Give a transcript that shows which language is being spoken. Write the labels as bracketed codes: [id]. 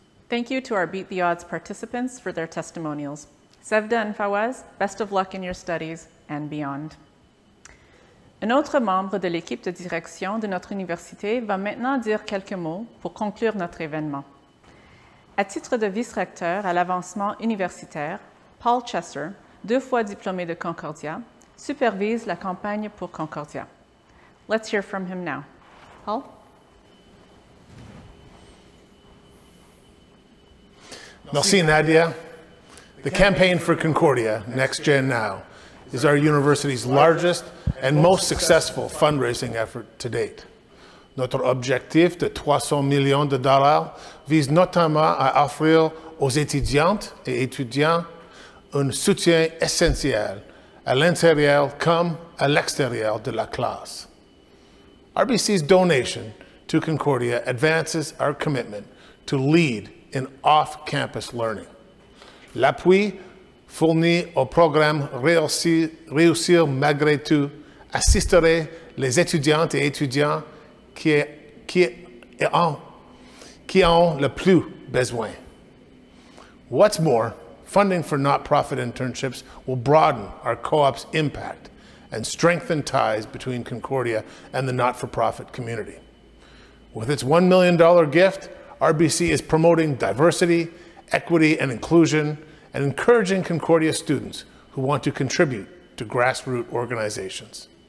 [en] Thank you to our Beat the Odds participants for their testimonials. Sevda and Fawaz, best of luck in your studies and beyond. [fr] Un autre membre de l'équipe de direction de notre université va maintenant dire quelques mots pour conclure notre événement. À titre de vice-recteur à l'avancement universitaire, Paul Chester, deux fois diplômé de Concordia, supervise la campagne pour Concordia. [en] Let's hear from him now. Paul? [fr] Merci, Nadia. [en] The campaign for Concordia, Next Gen Now, is our university's largest and most successful fundraising effort to date. [fr] Notre objectif de 300 millions de dollars vise notamment à offrir aux étudiantes et étudiants un soutien essentiel à l'intérieur comme à l'extérieur de la classe. [en] RBC's donation to Concordia advances our commitment to lead in off-campus learning. [fr] L'appui fourni au programme Réussir malgré tout assisterait les étudiantes et étudiants qui ont le plus besoin. [en] What's more, funding for not-profit internships will broaden our co-op's impact and strengthen ties between Concordia and the not-for-profit community. With its $1 million gift, RBC is promoting diversity, equity, and inclusion, and encouraging Concordia students who want to contribute to grassroots organizations.